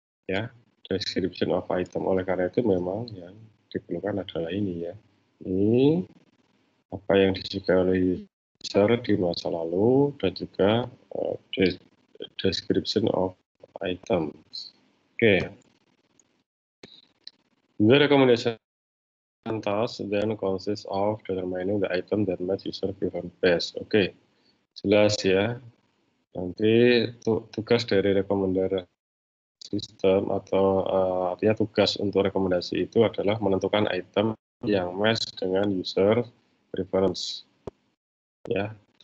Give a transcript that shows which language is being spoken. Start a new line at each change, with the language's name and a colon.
Indonesian: Ya,
English: description of item.
Indonesian: Oleh karena itu memang yang diperlukan adalah ini ya. Ini apa yang disukai oleh user di masa lalu, dan juga
English: description of items. Oke. Okay. The recommendation task then consists of determining the item that match user preference best.
Indonesian: Oke, jelas ya. Nanti tugas dari recommender system atau artinya tugas untuk rekomendasi itu adalah menentukan item yang match dengan user preference. Ya.